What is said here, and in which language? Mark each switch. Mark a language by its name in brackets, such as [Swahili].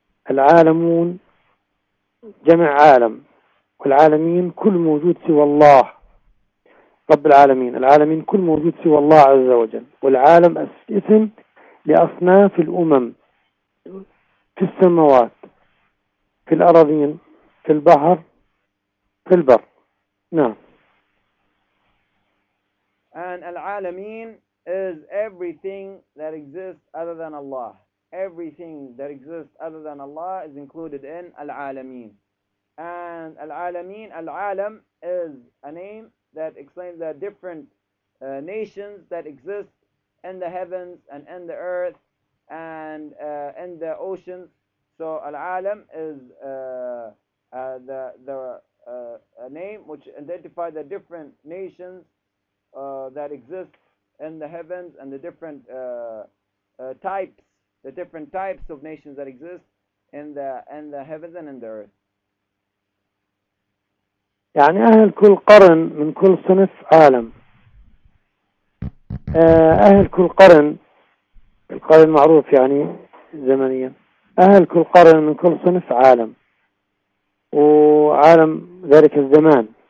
[Arabic] العالمون جمع عالم، والعالمين كل موجود سوى الله رب العالمين. العالمين كل موجود سوى الله عز وجل. والعالم اسم لأصناف الأمم في السماوات في الأراضين في البحر في البر. نعم. [English] And العالمين is everything that exists other than Allah. Everything that exists other than Allah is included in العالمين. And العالمين, العالم is a name that explains the different nations that exist in the heavens and in the earth and in the oceans. So العالم is a name which identifies the different nations that exist in the heavens and the different types, the different types of nations that exist in the heavens and in the earth. [Arabic] يعني أهل كل قرن من كل صنف عالم. أهل كل قرن, القرن معروف يعني زمنيا. أهل كل قرن من كل صنف عالم, وعالم ذلك الزمان.